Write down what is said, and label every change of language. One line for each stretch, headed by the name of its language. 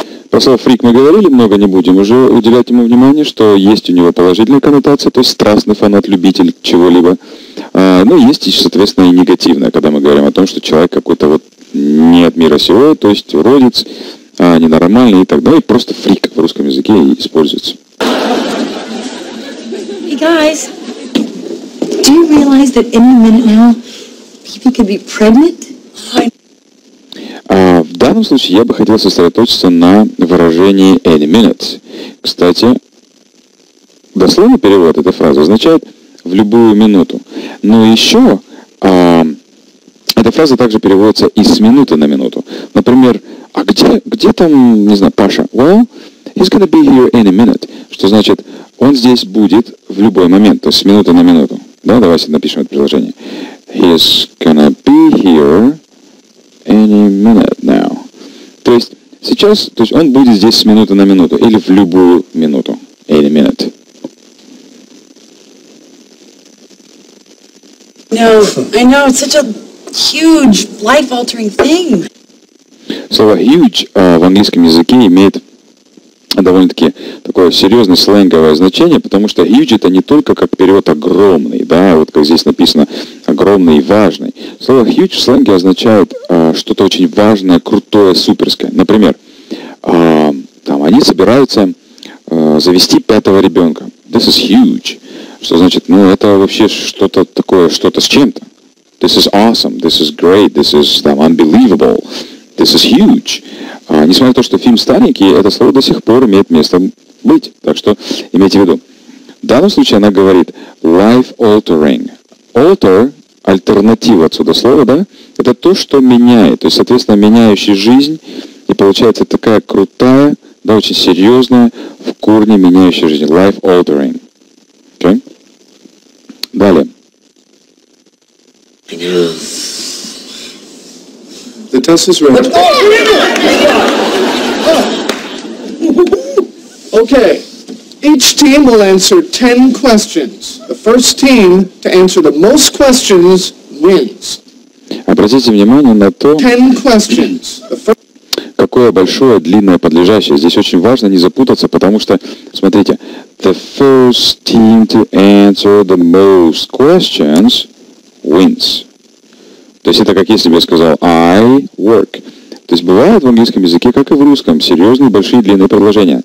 Russian: Про слово «фрик» мы говорили много, не будем уже уделять ему внимание, что есть у него положительная коннотация, то есть страстный фанат, любитель чего-либо. Но есть, соответственно, и негативное, когда мы говорим о том, что человек какой-то вот не от мира сего, то есть уродец, ненормальный и так далее. Просто «фрик» в русском языке используется.
English: Hey guys, do you realize that any minute now people could be pregnant?
Russian: В данном случае я бы хотел сосредоточиться на выражении
English: any minute.
Russian: Кстати, дословный перевод этой фразы означает в любую минуту. Но еще эта фраза также переводится и с минуты на минуту. Например, а где там, не знаю, Паша?
English: Well, he's gonna be here any minute.
Russian: Что значит, он здесь будет в любой момент, то есть с минуты на минуту. Да, давайте напишем это предложение.
English: He's gonna be here any minute now.
Russian: То есть сейчас, то есть он будет здесь с минуты на минуту или в любую минуту.
English: Any minute. No, I know it's such a huge life-altering thing.
Russian: Слово huge в английском языке имеет довольно-таки такое серьезное сленговое значение, потому что huge это не только как перевод огромный, да, вот как здесь написано, огромный и важный. Слово huge в сленге означает что-то очень важное, крутое, суперское. Например, там они собираются завести пятого ребенка.
English: This is huge.
Russian: Что значит, ну это вообще что-то такое, что-то с чем-то.
English: This is awesome, this is great, this is
Russian: там,
English: unbelievable. This is huge.
Russian: Несмотря на то, что фильм старенький, это слово до сих пор имеет место быть. Так что имейте в виду. В данном случае она говорит
English: life altering.
Russian: Alter, альтернатива отсюда слова, да? Это то, что меняет. То есть, соответственно, меняющий жизнь. И получается такая крутая, да, очень серьезная, в корне меняющая жизнь.
English: Life altering. Окей? Okay?
Russian: Далее.
English: The test is ready. Okay, each team will answer 10 questions. The first team to answer the most questions wins.
Russian: Обратите внимание на то,
English: 10 questions.
Russian: Какое большое, длинное подлежащее. Здесь очень важно не запутаться, потому что, смотрите,
English: the first team to answer the most questions wins.
Russian: То есть это как если бы я сказал
English: I work.
Russian: То есть бывает в английском языке, как и в русском, серьезные, большие, длинные предложения.